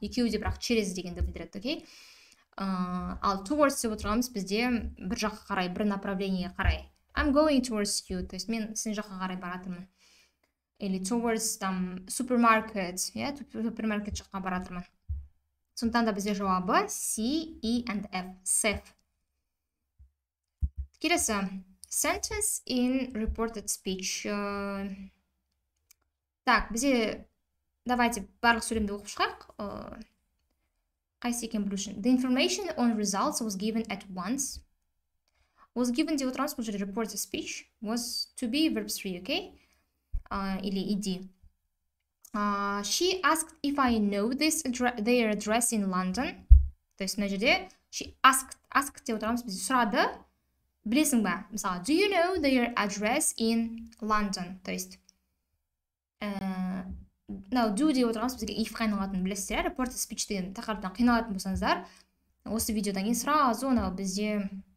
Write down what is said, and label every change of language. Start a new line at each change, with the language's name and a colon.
Kazakh: Екеуі де бірақ через дегенді білдіреді, окей? Ал towards деп отырамыз, бізде бір жаққа қарай, бір направлениеге қарай.
English: I'm going towards you,
Russian: то есть
Kazakh: мен сен жаққа қарай баратырмын. Или towards там supermarket,
Russian: я тут
Kazakh: супермаркет жаққа баратырмын. Сонда да бізде жауабы C, E and F. Сеф. Келесі.
English: Sentence in reported speech.
Russian: Так,
Kazakh: бізде
Russian: давайте
Kazakh: барлық сөйлемді оқып шығайық. Қайсы екен білу үшін.
English: The information on results was given at once. Was given
Kazakh: деп отырамыз, бұл жерде
English: reported speech was to be verb 3, okay?
Russian: Или иди.
English: She asked if I know this their address in London.
Russian: То есть
Kazakh: мына жерде
English: she asked
Kazakh: деп отырамыз, біз сұрады. Білесің ба? Мысалы,
English: do you know their address in London?
Russian: То есть
English: now do
Kazakh: деп отырамыз, бізге if қайналатын білесіздер, reported speech деген тақырыптан қиналатын болсаңыздар, осы видеодан кейін
Russian: сразу
Kazakh: мынау бізде